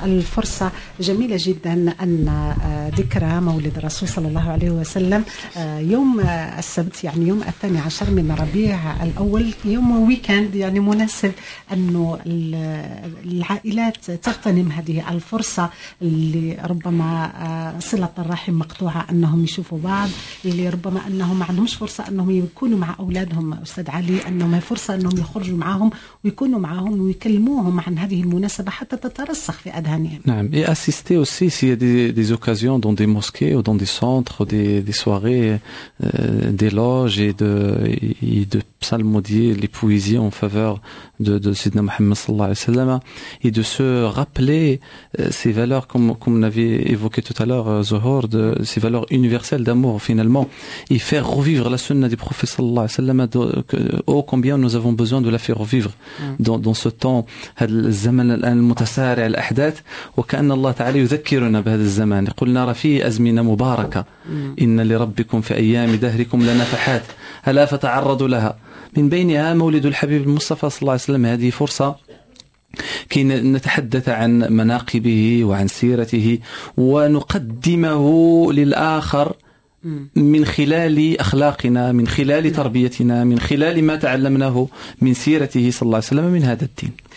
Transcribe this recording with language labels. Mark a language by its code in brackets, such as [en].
[ar] الفرصة جميلة جدا أن ذكرى مولد الرسول صلى الله عليه وسلم يوم السبت، يعني يوم 12 من ربيع الأول، يوم ويكند، يعني مناسب أنه العائلات تغتنم هذه الفرصة اللي ربما صلة الرحم مقطوعة أنهم يشوفوا بعض، اللي ربما أنهم ما عندهمش فرصة أنهم يكونوا مع أولادهم. أستاذ علي، أنهم فرصة أنهم يخرجوا معهم ويكونوا معهم ويكلموهم عن هذه المناسبة حتى تترسخ في أذهانهم. [fr] نعم، et assister aussi s'il y a des occasions dans des mosquées ou dans des centres ou des soirées d'éloges et de psalmodier les poésies en faveur de Sidna Mohammed sallallahu alayhi wa sallam, et de se rappeler ces valeurs comme on avait évoqué tout à l'heure, Zohor, de ces valeurs universelles d'amour finalement, et faire revivre la sunna du prophète sallallahu alayhi wa sallam, oh combien nous avons besoin de la faire revivre dans ce temps, [ar] هذا الزمن المتسارع الأحداث، وكأن الله تعالى يذكرنا بهذا الزمان. قلنا رفي أزمنة مباركة، إن لربكم في أيام دهركم لنفحات هلا فتعرضوا لها. من بينها مولد الحبيب المصطفى صلى الله عليه وسلم، هذه فرصة كي نتحدث عن مناقبه وعن سيرته ونقدمه للآخر من خلال أخلاقنا، من خلال تربيتنا، من خلال ما تعلمناه من سيرته صلى الله عليه وسلم من هذا الدين.